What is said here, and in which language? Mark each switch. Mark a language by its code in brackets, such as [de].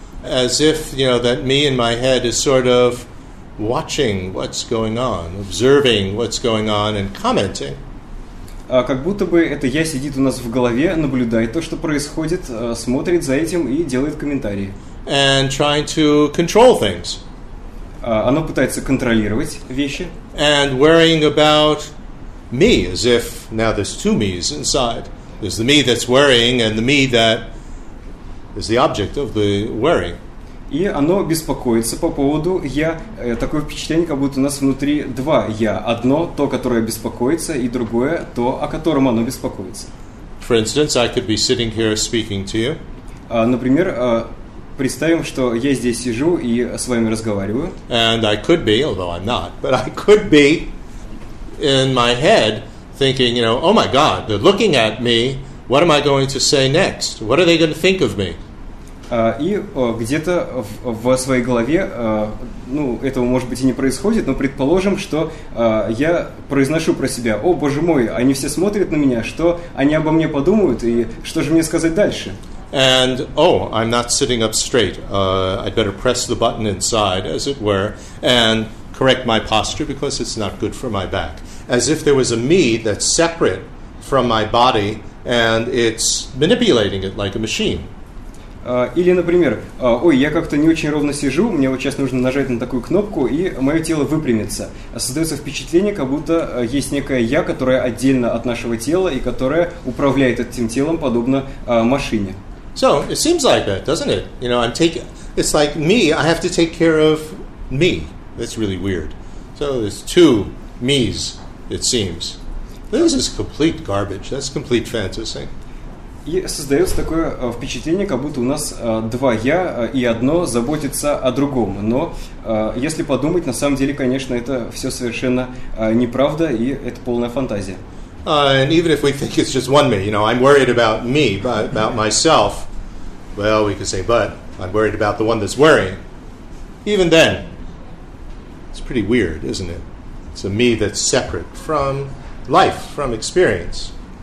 [en] As if, you know, that me in my head is sort of watching what's going on, observing what's going on and commenting. [ru] Как будто бы это я сидит у нас в голове, наблюдает то, что происходит, смотрит за этим и делает комментарии. [en] And trying to control things. [ru] Оно пытается контролировать вещи. [en] And worrying about me, as if now there's two me's inside. There's the me that's worrying and the me that is the object of the worry. [ru] И оно беспокоится по поводу я. Такое впечатление, как будто у нас внутри два я. Одно, то, которое беспокоится, и другое, то, о котором оно беспокоится. [en] For instance, I could be sitting here speaking to you. [ru] Например, представим, что я здесь сижу и с вами разговариваю. [en] And I could be, although I'm not, but I could be in my head thinking, you know, oh my God, they're looking at me, what am I going to say next? What are they going to think of me? [ru] Где-то в своей голове, ну, этого, может быть, и не происходит, но предположим, что я произношу про себя, о, Боже мой, они все смотрят на меня, что они обо мне подумают, и что же мне сказать дальше? [en] And, oh, I'm not sitting up straight. I'd better press the button inside, as it were, and correct my posture because it's not good for my back. As if there was a me that's separate from my body and it's manipulating it like a machine. [ru] Или, например, ой, я как-то не очень ровно сижу, мне вот сейчас нужно нажать на такую кнопку, и мое тело выпрямится. Создается впечатление, как будто есть некое я, которое отдельно от нашего тела и которое управляет этим телом подобно машине. [en] So, it seems like that, doesn't it? You know, it's like me, I have to take care of me. That's really weird. So there's two me's, it seems. This is complete garbage. That's complete fantasy. [ru] И создается такое впечатление, как будто у нас два я, и одно заботится о другом. Но если подумать, на самом деле, конечно, это все совершенно неправда, и это полная фантазия. [en] And even if we think it's just one me, you know, I'm worried about me, about myself, Well, we could say, but I'm worried about the one that's worrying. Even then, it's pretty weird, isn't it? It's a me that's separate from life, from experience.